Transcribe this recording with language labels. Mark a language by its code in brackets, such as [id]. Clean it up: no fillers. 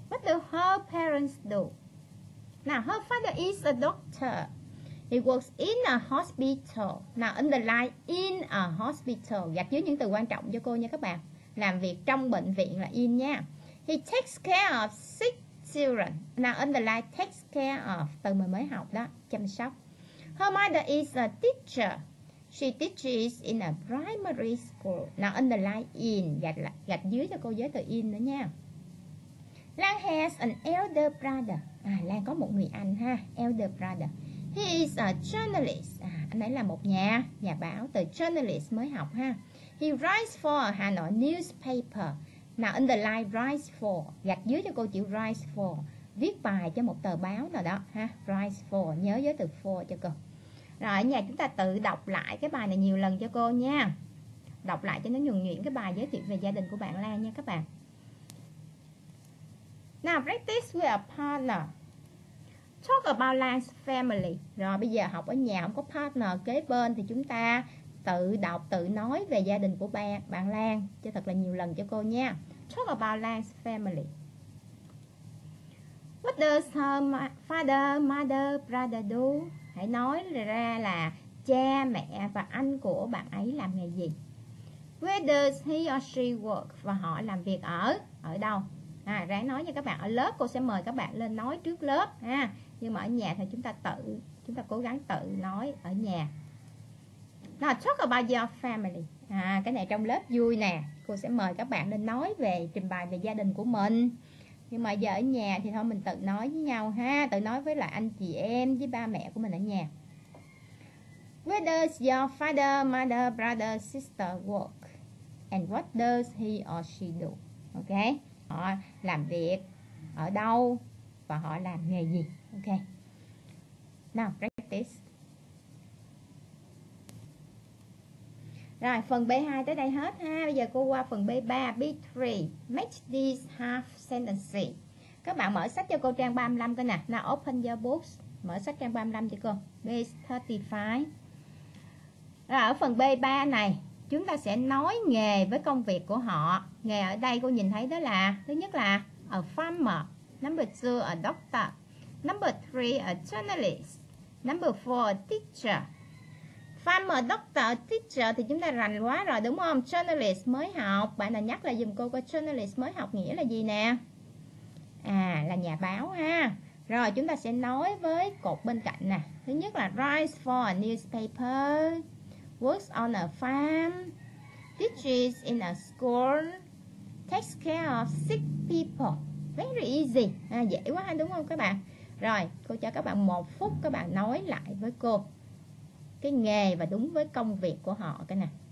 [en] What do her parents do? Now, her father is a doctor. He works in a hospital. Now, underline in a hospital. [vi] Gạch dưới những từ quan trọng cho cô nha các bạn. Làm việc trong bệnh viện là in nha. [en] He takes care of sick children. Now, underline takes care of. [vi] Từ mà mới học đó, chăm sóc. [en] Her mother is a teacher. She teaches in a primary school. Now, underline in. [vi] Gạch dưới cho cô giới từ in nữa nha. [en] Lan has an elder brother. [vi] Lan có một người anh ha. [en] Elder brother. He is a journalist. [vi] Anh ấy là một nhà báo. Từ journalist mới học ha. [en] He writes for a Hanoi newspaper. Now, underline writes for. [vi] Gạch dưới cho cô chữ writes for. Viết bài cho một tờ báo nào đó ha. Writes for. Nhớ giới từ for cho cô. Rồi ở nhà chúng ta tự đọc lại cái bài này nhiều lần cho cô nha. Đọc lại cho nó nhuần nhuyễn cái bài giới thiệu về gia đình của bạn Lan nha các bạn. [en] Now practice with a partner. Talk about Lan's family. [vi] Rồi bây giờ học ở nhà không có partner kế bên thì chúng ta tự đọc, tự nói về gia đình của bạn Lan cho thật là nhiều lần cho cô nha. [en] Talk about Lan's family. What does her father, mother, brother do? [vi] Hãy nói ra là cha, mẹ và anh của bạn ấy làm nghề gì. [en] Where does he or she work? [vi] Và họ làm việc ở đâu? Ráng nói nha các bạn. Ở lớp cô sẽ mời các bạn lên nói trước lớp ha. Nhưng mà ở nhà thì chúng ta cố gắng tự nói ở nhà. [en] Now talk about your family. [vi] Cái này trong lớp vui nè. Cô sẽ mời các bạn lên nói về, trình bày về gia đình của mình. Nhưng mà giờ ở nhà thì thôi mình tự nói với nhau ha. Tự nói với lại anh chị em, với ba mẹ của mình ở nhà. [en] Where does your father, mother, brother, sister work? And what does he or she do? [vi] Ok. Họ làm việc ở đâu? Và họ làm nghề gì? Ok. [en] Now practice. [vi] Rồi, phần B2 tới đây hết ha. Bây giờ cô qua phần B3. [en] B3, make these half sentences. [vi] Các bạn mở sách cho cô trang 35 coi nè. [en] Now open your books. [vi] Mở sách trang 35 cho cô. B35. Rồi, ở phần B3 này, chúng ta sẽ nói nghề với công việc của họ. Nghề ở đây cô nhìn thấy đó là, thứ nhất là a farmer, number 2 a doctor, number 3 a journalist, number 4 a teacher. Farmer, doctor, teacher thì chúng ta rành quá rồi đúng không? Journalist mới học. Bạn nào nhắc là dùm cô coi journalist mới học nghĩa là gì nè? À, là nhà báo ha. Rồi chúng ta sẽ nói với cột bên cạnh nè. Thứ nhất là [en] writes for a newspaper, works on a farm, teaches in a school, takes care of sick people. Very easy. [vi] À, dễ quá ha, đúng không các bạn? Rồi, cô cho các bạn một phút, các bạn nói lại với cô cái nghề và đúng với công việc của họ cái nè.